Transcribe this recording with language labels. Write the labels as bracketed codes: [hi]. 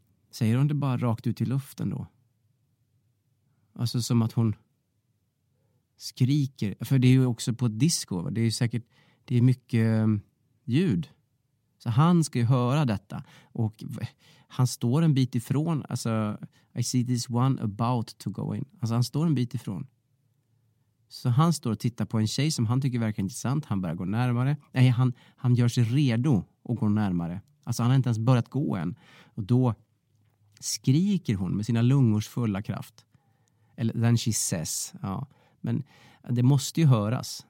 [sv] Säger hon det bara rakt ut i luften då? Alltså som att hon skriker. För det är ju också på disco. Va? Det är ju säkert, det är mycket ljud. Så han ska ju höra detta. Och han står en bit ifrån. Alltså, [en] I see this one about to go in. [sv] Alltså han står en bit ifrån. Så han står och tittar på en tjej som han tycker verkar intressant. Han börjar gå närmare. Nej, han gör sig redo och går närmare. Alltså han har inte ens börjat gå än. Och då skriker hon med sina lungors fulla kraft. Eller [en] then she says. [sv] Ja. Men det måste ju höras.